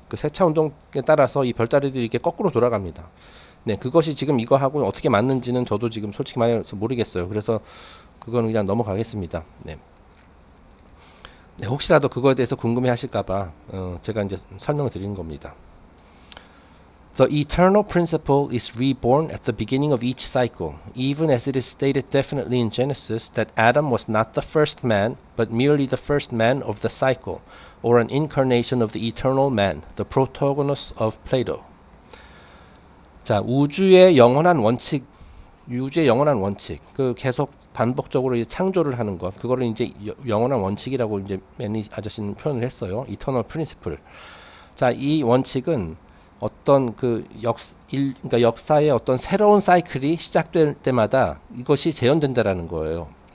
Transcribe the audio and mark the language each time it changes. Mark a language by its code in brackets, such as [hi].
[ko] 그 세차 운동에 따라서 이 별자리들이 이렇게 거꾸로 돌아갑니다. 네, 그것이 지금 이거하고 어떻게 맞는지는 저도 지금 솔직히 말해서 모르겠어요. 그래서 그건 그냥 넘어가겠습니다. 네. 네, 혹시라도 그거에 대해서 궁금해하실까봐 제가 이제 설명을 드리는 겁니다. [en] The eternal principle is reborn at the beginning of each cycle, even as it is stated definitely in Genesis that Adam was not the first man, but merely the first man of the cycle, or an incarnation of the eternal man, the protagonist of Plato. [ko] 자, 우주의 영원한 원칙, 우주의 영원한 원칙, 그 계속 반복적으로 이제 창조를 하는 것, 그거를 이제 영원한 원칙이라고 이제 매니 아저씨는 표현을 했어요. [en] Eternal principle. [ko] 자, 이 원칙은 어떤 그 그러니까 역사의 어떤 새로운 사이클이 시작될 때마다 이것이 재현된다라는 거예요.